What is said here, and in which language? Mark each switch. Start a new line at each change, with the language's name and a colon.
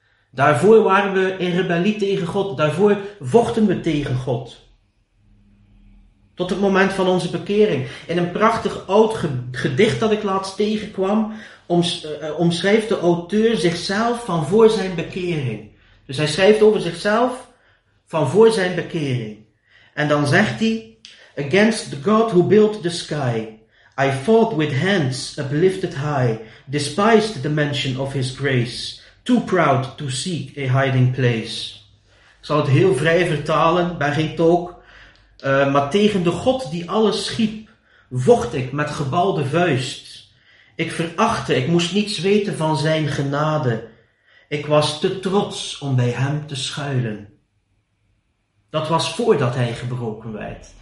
Dutch: Daarvoor waren we in rebellie tegen God, daarvoor vochten we tegen God. Tot het moment van onze bekering. In een prachtig oud gedicht dat ik laatst tegenkwam, omschrijft de auteur zichzelf van voor zijn bekering. Dus hij schrijft over zichzelf van voor zijn bekering. En dan zegt hij:
English: against the God who built the sky, I fought with hands uplifted high, despised the mention of his grace, too proud to seek a hiding place.
Dutch: Ik zal het heel vrij vertalen, ben geen tolk. Maar tegen de God die alles schiep, vocht ik met gebalde vuist. Ik verachtte, ik moest niets weten van zijn genade. Ik was te trots om bij hem te schuilen. Dat was voordat hij gebroken werd.